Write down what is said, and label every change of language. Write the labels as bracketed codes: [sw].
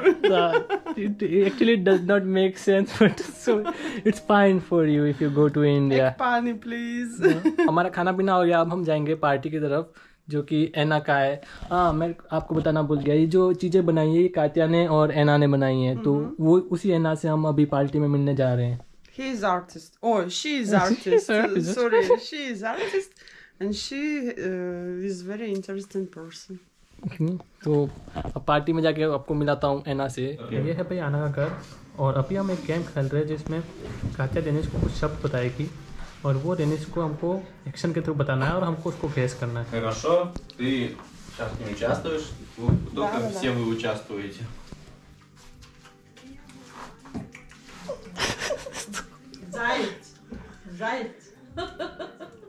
[en] Actually, it does not make sense, but so it's fine for you if you go to India. Egg pani, please. [hi] हमारा खाना पीना हो गया, अब हम जाएंगे पार्टी की तरफ, जो कि एना का है. हाँ, मैं आपको बताना भूल गया, ये जो चीजें बनाई है कात्या ने और एना ने बनाई है, तो वो उसी एना से हम अभी पार्टी में मिलने जा रहे हैं. [en] He is artist. Oh, she is artist. Sorry, she is artist, and she is very interesting person. [hi] तो अब पार्टी में जाके आपको मिलाता हूँ एना से. ये है भाई आना का घर, और अभी हम एक गेम खेल रहे हैं जिसमें कात्या दिनेश को कुछ शब्द बताएगी और वो दिनेश को हमको एक्शन के थ्रू बताना है और हमको उसको गेस करना है. [ru] Хорошо, ты сейчас не участвуешь, только все вы участвуете. Зайц. Зайц.